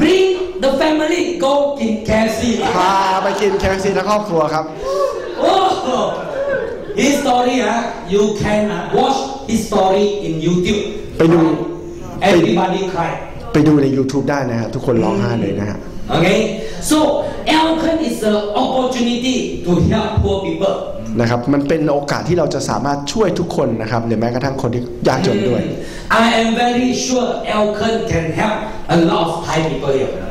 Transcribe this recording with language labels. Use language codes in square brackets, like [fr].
[en] Bring the family go กิน KFC [th] พาไปกิน KFC ทั้งครอบครัวครับ [en] โอ้ His story you can watch his story in YouTube [th] ไปดู [en] Everybody cry [th] ไปดูใน YouTube ได้นะฮะทุกคนร้องไห้เลยนะฮะ [en] โอเค so Elkin is a opportunity to help poor people [th] นะครับมันเป็นโอกาสที่เราจะสามารถช่วยทุกคนนะครับหรือแม้กระทั่งคนที่ยากจนด้วย [en] I am very sure Elkin can help a lot of Thai people here